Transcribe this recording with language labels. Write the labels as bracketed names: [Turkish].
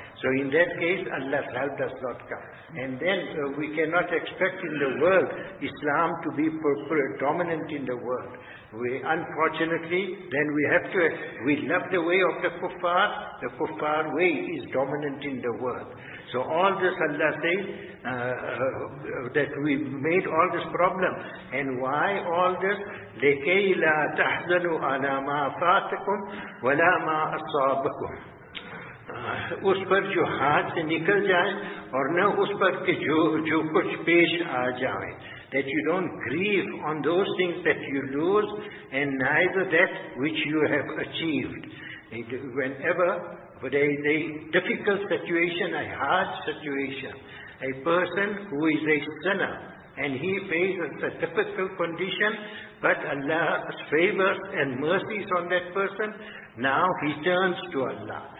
[English] So in that case, Allah's help does not come. And then we cannot expect in the world Islam to be predominant in the world. We love the way of the kuffar way is dominant in the world. So all this Allah says that we made all this problem. And why all this? [Arabic] لَكَيْ لَا تَحْزَنُوا عَلَى مَا فَاتَكُمْ وَلَا مَا أَصَابَكُمْ [Urdu] اس پر جو ہاتھ سے نکل جائے اور نہ اس پر جو کچھ پیش آ جائے. [English] That you don't grieve on those things that you lose and neither that which you have achieved. Whenever there is a difficult situation, a hard situation, a person who is a sinner and he faces a difficult condition, but Allah's favors and mercies on that person, now he turns to Allah.